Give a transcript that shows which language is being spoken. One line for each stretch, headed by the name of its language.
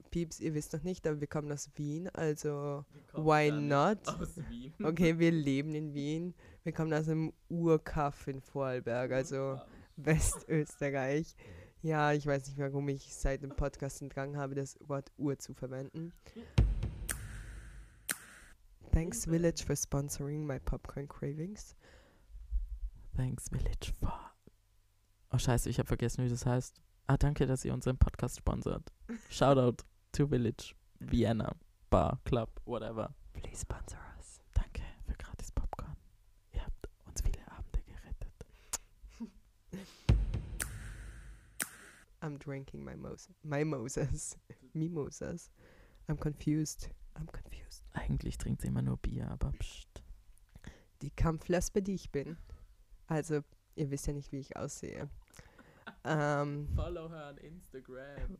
German: Pieps, ihr wisst noch nicht, aber wir kommen aus Wien, also
English: why not?
German: Aus Wien. Okay, wir leben in Wien. Wir kommen aus einem Urkaff in Vorarlberg, also Westösterreich. Ja, ich weiß nicht, warum ich seit dem Podcast den Drang habe, das Wort Uhr zu verwenden.
English: Thanks Village for sponsoring my popcorn cravings. Thanks Village for...
German: Oh scheiße, ich habe vergessen, wie das heißt. Ah, danke, dass ihr unseren Podcast sponsert.
English: Shoutout to Village, Vienna, Bar, Club, whatever. Please sponsor us.
German: Danke für gratis Popcorn. Ihr habt uns viele Abende gerettet.
English: I'm drinking Mimosas. I'm confused.
German: Eigentlich trinkt sie immer nur Bier, aber pst. Die Kampflesbe, die ich bin. Also, ihr wisst ja nicht, wie ich aussehe.
English: Follow her on Instagram.